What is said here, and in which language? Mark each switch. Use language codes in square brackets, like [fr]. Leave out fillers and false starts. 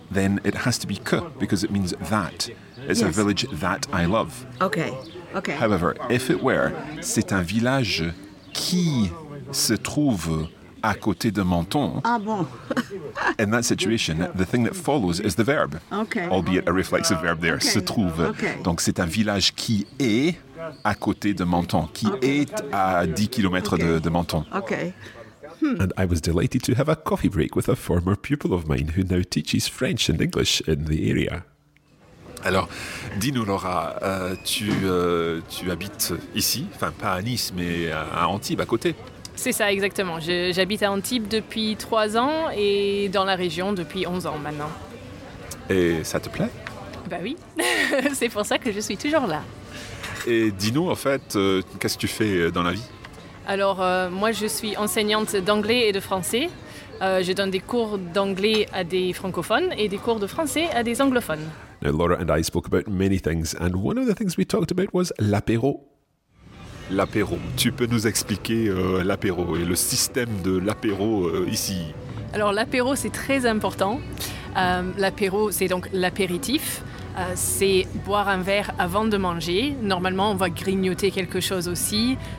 [en] then it has to be que because it means that. It's, yes, a village that I love. Okay. However, if it were, [fr] c'est un village qui se trouve à côté de Menton. Ah bon. [en] In that situation, the thing that follows is the verb. Okay. Albeit a reflexive verb there, okay, [fr] se trouve. [en] Okay. [fr] Donc c'est un village qui est à côté de Menton, qui, [en] okay, [fr] est à 10 kilometres, [en] okay, [fr] de Menton. [en] Okay. And I was delighted to have a coffee break with a former pupil of mine who now teaches French and English in the area. [fr] Alors, dis-nous, Laura, tu habites ici, enfin pas à Nice, mais à Antibes, à côté. C'est ça, exactement. J'habite à Antibes depuis 3 ans et dans la région depuis 11 ans maintenant. Et ça te plaît? Bah oui, c'est pour ça que je suis toujours là. Et dis-nous, en fait, qu'est-ce que tu fais dans la vie? Alors, moi, je suis enseignante d'anglais et de français. Je donne des cours d'anglais à des francophones et des cours de français à des anglophones. [en] Now, Laura and I spoke about many things, and one of the things we talked about was l'apéro. [fr] L'apéro. Tu peux nous expliquer l'apéro et le système de l'apéro ici? Alors, l'apéro, c'est très important. L'apéro, c'est donc l'apéritif. C'est boire un verre avant de manger. Normalement, on va grignoter quelque chose aussi.